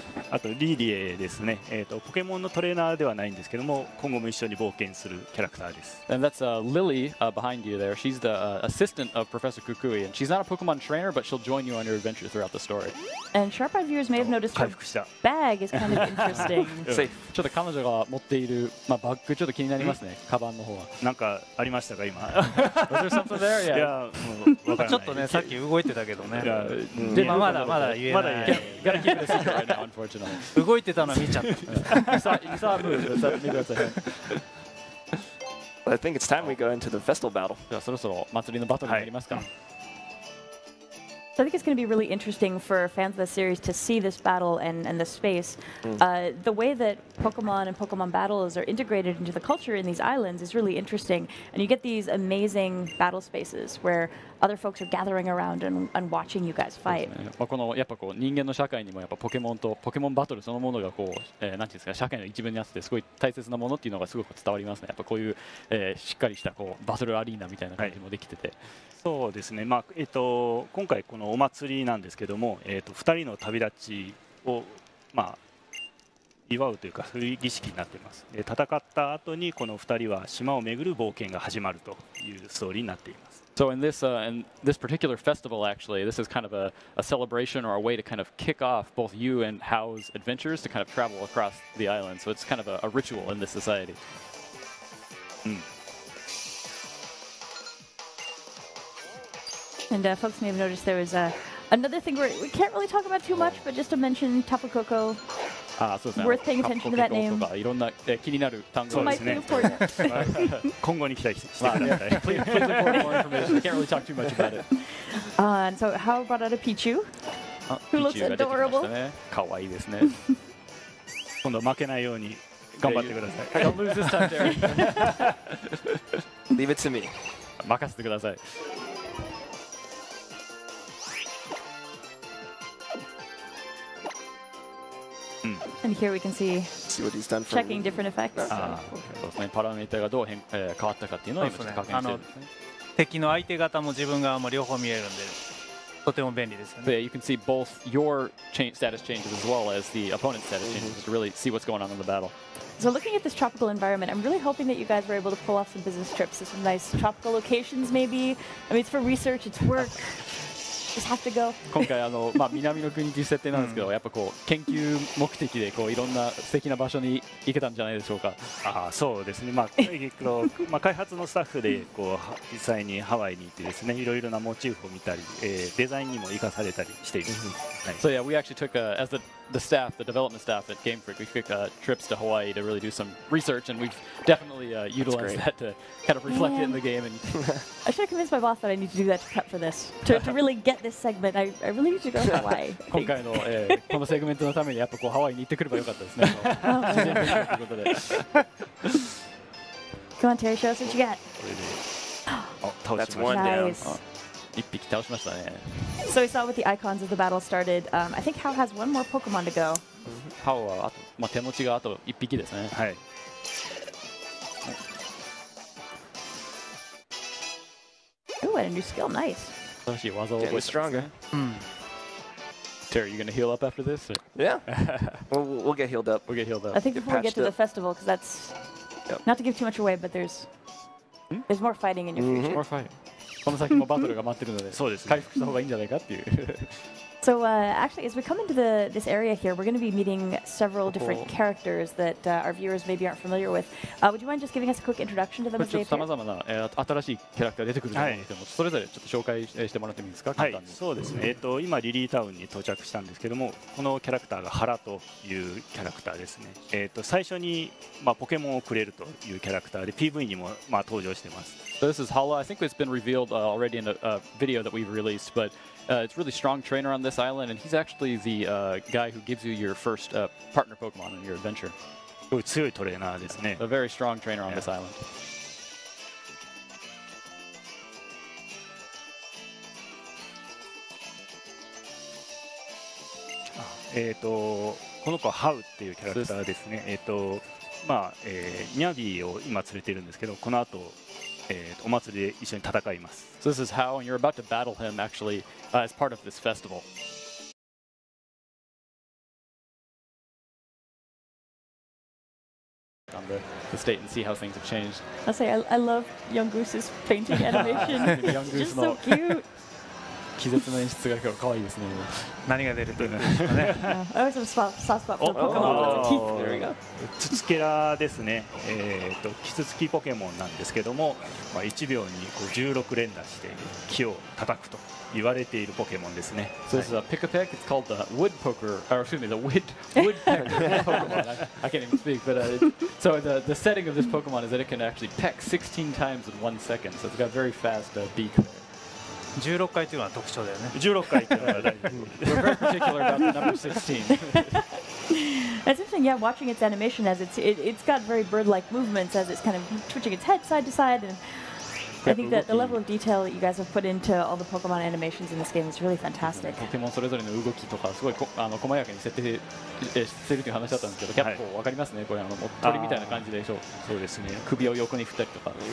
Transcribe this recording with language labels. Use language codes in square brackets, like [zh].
[ja] あとリーディエですね。ポケモンのトレーナーではないんですけども、今後も一緒に冒険するキャラクターです。 [en] And that's Lily behind you there. She's the assistant of Professor Kukui, and she's not a Pokemon trainer, but she'll join you on your adventure throughout the story. And sharp-eyed viewers may have noticed her bag is kind of interesting. [ja] ちょっと彼女が持っている、まあ、バッグちょっと気になりますね。カバンの方は。なんかありましたか今。 [en] Was there something there? Yeah. [ja] ちょっとねさっき動いてたけどね。でもまだ言えない。まだ言えない。 [en] Gotta keep it a secret right now, unfortunately. [ja] 動いてたの見ちゃった。 [en] You saw a move. [ja] 見てください。 [en] I think it's time we go into the festival battle. [ja] じゃあそろそろ祭りのバトルになりますか。 [en] So I think it's going to be really interesting for fans of the series to see this battle and the space. The way that Pokemon and Pokemon battles are integrated into the culture in these islands is really interesting. And you get these amazing battle spaces where other folks are gathering around and watching you guys fight. [ja] この、やっぱこう人間の社会にもやっぱポケモンとポケモンバトルそのものがこう、なんていうんですか、社会の一部にあってすごい大切なものっていうのがすごく伝わりますね。やっぱこういう、しっかりしたこうバトルアリーナみたいな感じもできてて。そうですね、まあ今回このお祭りなんですけども、2人の旅立ちを、まあ、祝うというかそういう儀式になっています。で、戦った後にこの2人は島を巡る冒険が始まるというストーリーになっています。 [en] So in this particular festival, actually, this is kind of a celebration or a way to kind of kick off both you and Hao's adventures to kind of travel across the island. So it's kind of a ritual in this society. And folks may have noticed there was another thing we can't really talk about too much, but just to mention Tapu Koko. Worth paying attention to that name. [ja] いろんな気になる単語ですね。今後に期待してください。 [en] Please report more information. I can't really talk too much about it. And so, how about a Pichu? Who looks adorable? [ja] かわいいですね。今度負けないように頑張ってください。 [en] Don't lose this time, Derek. Leave it to me. [ja] 任せてください。 [en] And here we can see, what he's done checking me. Different effects. [ja] パラメータがどう変変わったかっていうのを今確認してるんですね。敵の相手方も自分側も両方見えるんで、とても便利ですよね。 [en] You can see both your status changes as well as the opponent's status changes to really see what's going on in the battle. So looking at this tropical environment, I'm really hoping that you guys were able to pull off some business trips to some nice tropical locations maybe. I mean, it's for research, it's work. Just have to go. [ja] 今回まあ、南の国という設定なんですけど、やっぱこう研究目的でこういろんな素敵な場所に行けたんじゃないでしょうか。ああそうですね、まあまあ、開発のスタッフでこう実際にハワイに行ってですね、いろいろなモチーフを見たり、デザインにも生かされたりしています。 [en] So yeah, we actually took as the staff, the development staff at Game Freak, we took trips to Hawaii to really do some research, and we've definitely utilized that to kind of reflect it in the game. And I should convince my boss that I need to do that to prep for this, to really get this segment. I really need to go to Hawaii. [ja] 今回のこのセグメントのためにやっぱこうハワイに行ってくればよかったですね。 [en] Come on, Terry, show us what you got. That's one down. [ja] 一匹倒しましたね。 [en] So we saw with the icons of the battle started. I think Hao has one more Pokemon to go. [ja] Hao はあと、まあ、手持ちがあと1匹ですね。はい。 [en] Ooh, a new skill, nice. [ja] 新しい技を覚えた。 [en] Getting stronger. Terry, you gonna heal up after this? Or? Yeah. we'll get healed up. We'll get healed up. I think before we get to the festival, because that's not to give too much away, but there's more fighting in your future. More fighting. [ja] この先もバトルが待ってるので、そうですね、回復した方がいいんじゃないかっていう。 [en] So, actually, as we come into this area here, we're going to be meeting several different characters that our viewers maybe aren't familiar with. Would you mind just giving us a quick introduction to them? [ja] ちょっと様々な、新しいキャラクター出てくると思うんですけども、はい、それぞれちょっと紹介してもらってもいいですか、はい、簡単に。そうですね。今、リリータウンに到着したんですけども、このキャラクターがハラというキャラクターですね。最初に、まあ、ポケモンをくれるというキャラクターで、PV にも、まあ、登場しています。 [en] So this is Hala. I think it's been revealed already in a video that we've released, but it's really strong trainer on this island, and he's actually the guy who gives you your first partner Pokemon on your adventure. [ja] すごい強いトレーナーですね。 [en] A very strong trainer on this island. [ja] この子はハウっていうキャラクターですね。まあ、ニャビーを今連れているんですけど、この後お祭りで一緒に戦います。 [en] So this is Hao, and you're about to battle him actually as part of this festival. On the state and see how things have changed. I'll say I love Young Goose's painting animation. Young Goose just so cute. [ja] 気絶の演出が今日可愛いですね。何が出るというのはね。あ、それスパスパスパポケモンのキツツキが。ツツケラですね。キツツキポケモンなんですけども、まあ1秒にこう16連打して木を叩くと言われているポケモンですね。 [en] So this is a pick a peck. It's called the wood poker. Or excuse me, the wood pecker Pokemon. I can't even speak. But so the setting of this Pokemon is that it can actually peck 16 times in 1 second. So it's got very fast beak there. [ja] 16回というのは特徴だよね。 16回というのは大事。 [en] That's interesting. Yeah, watching its animation as it's got very bird-like movements as it's kind of twitching its head side to side, and I think that the level of detail that you guys have put into all the Pokemon animations in this game is really fantastic. [ja] Pokemon それぞれの動きとかすごい細やかに設定してるという話だったんですけど、結構わかりますね。これ鳥みたいな感じでしょう。そうですね。首を横に振ったりとか。